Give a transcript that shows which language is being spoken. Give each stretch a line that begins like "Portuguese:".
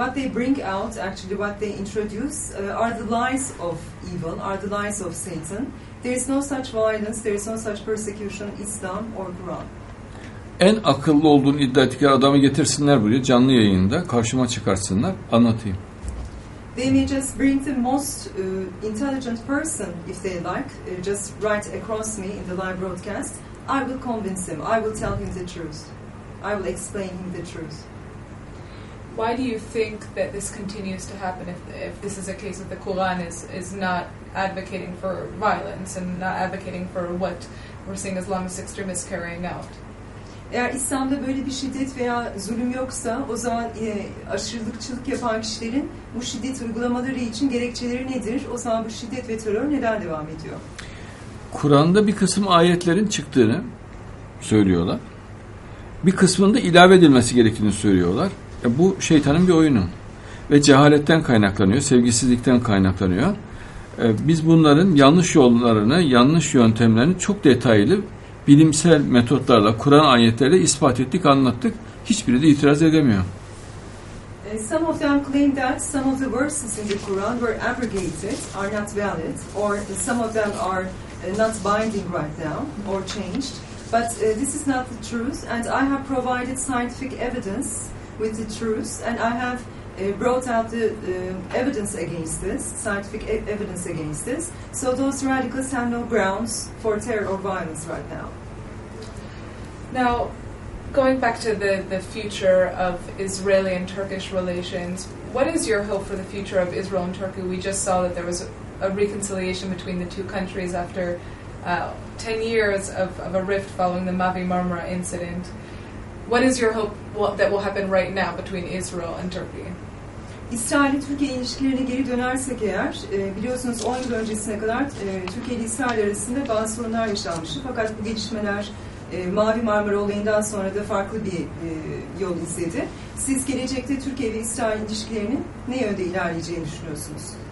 English: What they bring out, are the lies of evil, are the lies of Satan. There is no such violence, there is no such persecution, Islam or Quran.
Turkish: En akıllı olduğunu iddia ettikleri adamı getirsinler buraya, canlı yayında, karşıma çıkartsınlar, anlatayım.
English: They may just bring the most intelligent person, if they like, just right across me in the live broadcast. I will convince him, I will tell him the truth. I will explain him the truth. Why do you think that this continues to happen if this is a case that the Quran is not advocating for violence and not advocating for what we're seeing Islamist extremists carrying out.
Turkish: Eğer İslam'da böyle bir şiddet veya zulüm yoksa, o zaman aşırılıkçılık yapan kişilerin bu şiddet uygulamaları için gerekçeleri nedir? O zaman bu şiddet ve terör neden devam ediyor? Kur'an'da bir kısım ayetlerin çıktığını söylüyorlar. Bir kısmının da ilave edilmesi gerektiğini söylüyorlar. Bu şeytanın bir oyunu. Ve cehaletten kaynaklanıyor, sevgisizlikten kaynaklanıyor. Biz bunların yanlış yollarını, yanlış yöntemlerini çok detaylı bilimsel metotlarla, Kur'an ayetleriyle ispat ettik, anlattık. Hiçbiri de itiraz edemiyor.
English: Some of them claim that some of the verses in the Quran were abrogated, are not valid, or some of them are not binding right now, or changed. But this is not the truth, and I have provided scientific evidence with the truth, and I have brought out the evidence against this, scientific evidence against this. So those radicals have no grounds for terror or violence right now. Now, going back to the future of Israeli and Turkish relations, what is your hope for the future of Israel and Turkey? We just saw that there was a reconciliation between the two countries after 10 years of a rift following the Mavi Marmara incident. What is your hope that will happen right now between Israel and Turkey?
Turkish: İsrail-Türkiye ilişkilerine geri dönersek eğer, biliyorsunuz 10 yıl öncesine kadar Türkiye ile İsrail arasında bazı sorunlar yaşanmıştı. Fakat bu gelişmeler Mavi Marmara olayından sonra da farklı bir yol izledi. Siz gelecekte Türkiye ve İsrail ilişkilerinin ne yönde ilerleyeceğini düşünüyorsunuz?